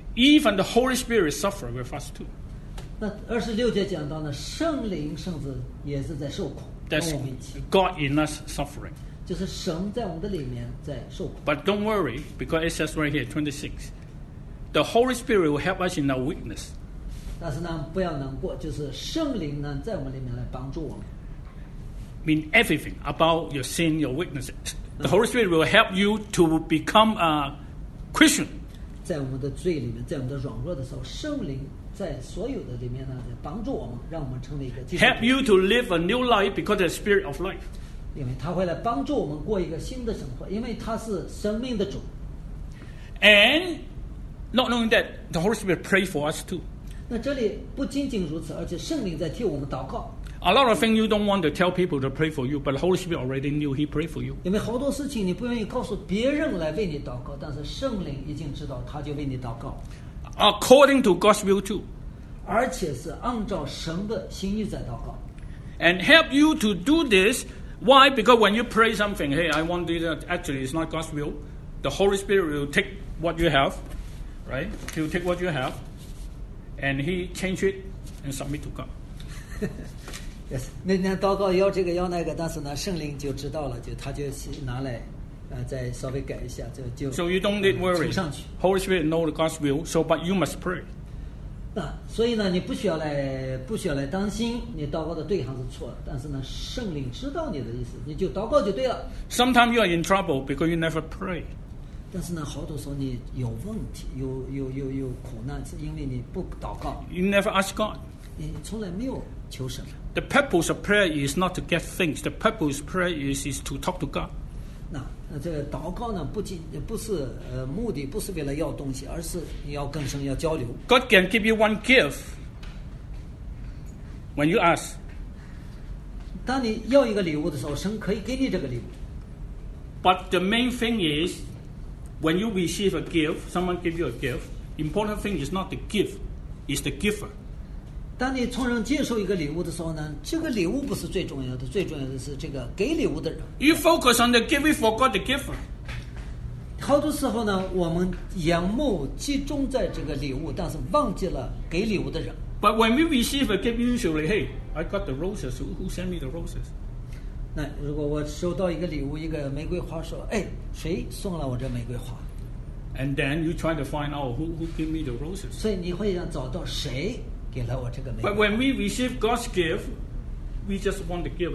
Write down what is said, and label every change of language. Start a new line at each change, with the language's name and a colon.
English: Even the Holy Spirit suffer with us too.
Chinese: 26节讲到呢，圣灵甚至也是在受苦。
English: That's God in us suffering.
Chinese: 就是神在我们的里面在受苦。
English: But don't worry, because it says right here, 26, the Holy Spirit will help us in our weakness.
Chinese: 但是呢，不要难过，就是圣灵呢在我们里面来帮助我们。
English: Mean everything about your sin, your weakness. The Holy Spirit will help you to become a Christian.
Chinese: 在我们的罪里面，在我们的软弱的时候，圣灵。在所有的里面呢，在帮助我们，让我们成为一个基督徒。
English: Help you to live a new life because the Spirit of life.
Chinese: 因为他会来帮助我们过一个新的生活，因为他是生命的主。
English: And not knowing that the Holy Spirit pray for us too.
Chinese: 那这里不仅仅如此，而且圣灵在替我们祷告。
English: A lot of things you don't want to tell people to pray for you, but the Holy Spirit already knew He prayed for you.
Chinese: 因为好多事情你不愿意告诉别人来为你祷告，但是圣灵已经知道，他就为你祷告。
English: According to God's will too.
Chinese: 而且是按照神的心意在祷告。
English: And help you to do this. Why? Because when you pray something, hey, I want to do that. Actually, it's not God's will. The Holy Spirit will take what you have, right? He'll take what you have, and he change it and submit to God. Yes.
Chinese: 那天祷告要这个要那个，但是呢，圣灵就知道了，就他就拿来。再稍微改一下
English: So you don't need worry. Holy Spirit knows God's will, so but you must pray.
Chinese: 所以呢，你不需要来担心你祷告的对象是错，但是呢，圣灵知道你的意思，你就祷告就对了。
English: Sometimes you are in trouble because you never pray.
Chinese: 但是呢，好多时候你有问题，有苦难，是因为你不祷告。
English: You never ask God.
Chinese: 你从来没有求神。
English: The purpose of prayer is not to get things. The purpose of prayer is to talk to God.
Chinese: 这个祷告呢，不是目的，不是为了要东西，而是你要跟神要交流。
English: God can give you one gift when you ask.
Chinese: 当你要一个礼物的时候，神可以给你这个礼物。
English: But the main thing is, when you receive a gift, someone give you a gift. Important thing is not the gift, it's the giver.
Chinese: 当你从人接受一个礼物的时候呢，这个礼物不是最重要的，最重要的是这个给礼物的人。
English: You focus on the giver, you forgot the giver.
Chinese: 好多时候呢，我们眼目集中在这个礼物，但是忘记了给礼物的人。
English: But when we receive a gift, usually, hey, I got the roses. Who sent me the roses?
Chinese: 那如果我收到一个礼物，一个玫瑰花，说，哎，谁送了我这玫瑰花？
English: And then you try to find out who gave me the roses.
Chinese: 所以你会想找到谁？
English: But when we receive God's gift, we just want the gift.